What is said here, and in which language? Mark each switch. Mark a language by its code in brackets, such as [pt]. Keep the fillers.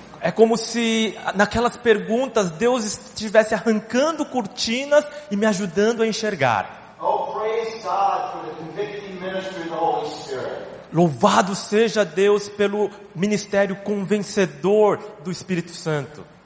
[pt] é como se naquelas perguntas Deus estivesse arrancando cortinas e me ajudando a enxergar. [en] Oh, praise God for the convicting ministry of the [pt] Louvado seja Deus pelo ministério convencedor do Espírito Santo.